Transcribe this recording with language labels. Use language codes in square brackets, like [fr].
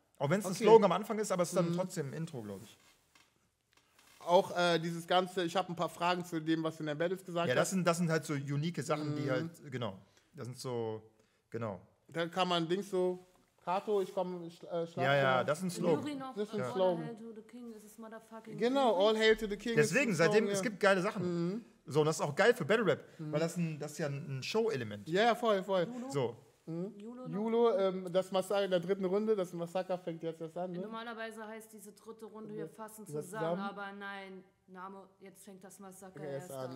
[de] Auch wenn es ein Slogan am Anfang ist, aber es ist dann trotzdem ein Intro, glaube ich. Auch dieses Ganze, ich habe ein paar Fragen zu dem, was du in den Battles gesagt hast. Ja, das sind halt so unique Sachen, die halt, genau. Das sind so, genau. Da kann man Dings so, Kato, ich komme, schlafe. Ja, das ist ein Slogan. Das ist ein Slogan. [en] All Hail to the King, this is motherfucking [de] Genau, [en] All Hail to the King. [de] Deswegen, seitdem, es gibt geile Sachen. So, und das ist auch geil für Battle Rap, weil das ist ja ein Show-Element. Ja, yeah, voll. Julo. So. Julo, das Massaker in der dritten Runde, das Massaker fängt jetzt erst an. Ne? Normalerweise heißt diese dritte Runde hier fassen zusammen, aber nein, Name, jetzt fängt das Massaker erst an.